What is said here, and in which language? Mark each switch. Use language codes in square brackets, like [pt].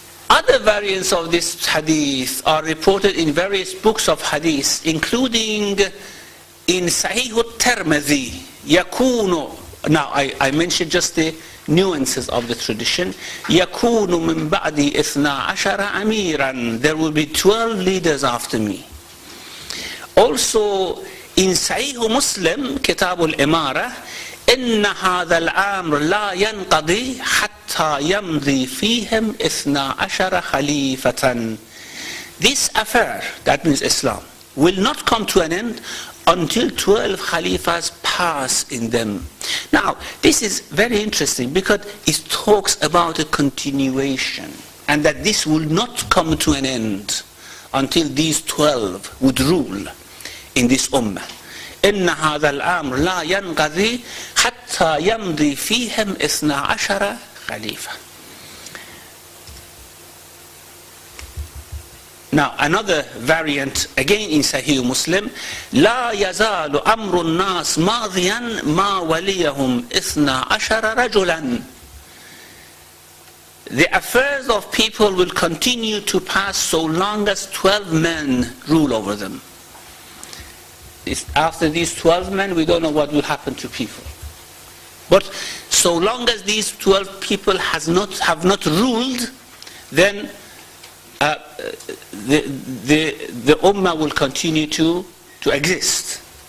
[en] Other variants of this hadith are reported in various books of hadith, including in Sahih al-Tirmidhi, Yakunu. Now, I mentioned just the nuances of the tradition. [ar] Yakunu min ba'di ithna ashara amiran. [en] There will be 12 leaders after me. Also, in Sahih Muslim, Kitab al-Imara, [ar] إِنَّ هَذَا الْأَمْرُ لَا يَنْقَضِي حَتَّى يَمْضِي فِيهِمْ إِثْنَا عَشَرَ خَلِيفَةً. [en] This affair, that means Islam, will not come to an end until 12 Khalifas pass in them. Now, this is very interesting because it talks about a continuation and that this will not come to an end until these 12 would rule in this Ummah. [ar] إِنَّ هَذَا الْأَمْرُ لَا يَنْقَضِي حَتَّى يَمْضِي فِيهِمْ إِثْنَا عَشَرَ خَلِيفَةً. [en] Now another variant, again in Sahih Muslim, [ar] لَا يَزَالُ أَمْرُ النَّاسِ مَاضِيًا مَا وَلِيَهُمْ إِثْنَا عَشَرَ رَجُلًا. [en] The affairs of people will continue to pass so long as 12 men rule over them. After these 12 men, we don't know what will happen to people. But so long as these 12 people have not ruled, then the Ummah will continue to exist.